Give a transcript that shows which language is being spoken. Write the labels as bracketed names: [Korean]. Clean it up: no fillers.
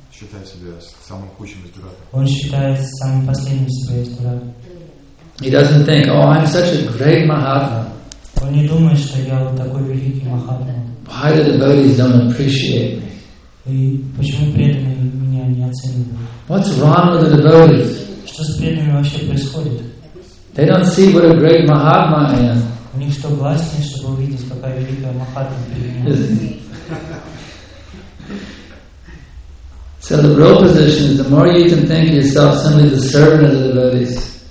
[Russian] считает себя самым худшим из дурак. Он считает самым последним себя из дурак. [English] He doesn't think, oh, I'm such a great Mahatma. [Russian] Он не думает, что я вот такой великий Махатма. [English] Why do the devotees don't appreciate me? [Russian] И почему преданные меня не оценивают? [English] What's wrong with the devotees? [Russian] Что с преданными вообще происходит? [English] They don't see what a great Mahatma I am. [Russian] У них что, глаз нет, чтобы увидеть, какая великая Махатма перед ним? [English] So the real position is the more you can think of yourself simply the servant of the devotees.